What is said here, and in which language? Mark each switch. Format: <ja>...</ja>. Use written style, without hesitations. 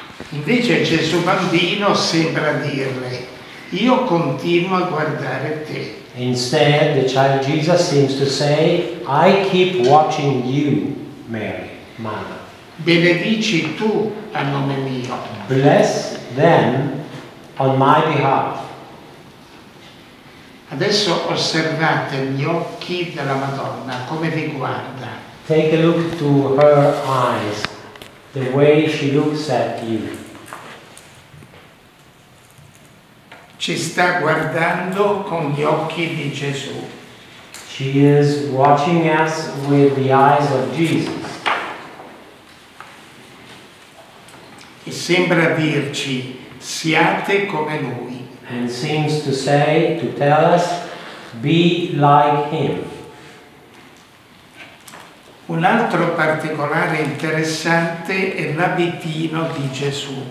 <it>Invece Gesù Bambino sembra dirle, io continuo a guardare te.</it> <en>Instead, the child Jesus seems to say, I keep watching you, Mary, Mother.</en> <it>Benedici tu a nome mio.</it> <en>Bless them on my behalf.</en> <it>Adesso osservate gli occhi della Madonna, come vi guarda.</it> <en>Take a look to her eyes, the way she looks at you.</en> <it>Ci sta guardando con gli occhi di Gesù.</it> <en>She is watching us with the eyes of Jesus.</en> <it>E sembra dirci, siate come Lui.</it> <en>And seems to say, to tell us, be like him.</en> <it>Un altro particolare interessante è l'abitino di Gesù.</it>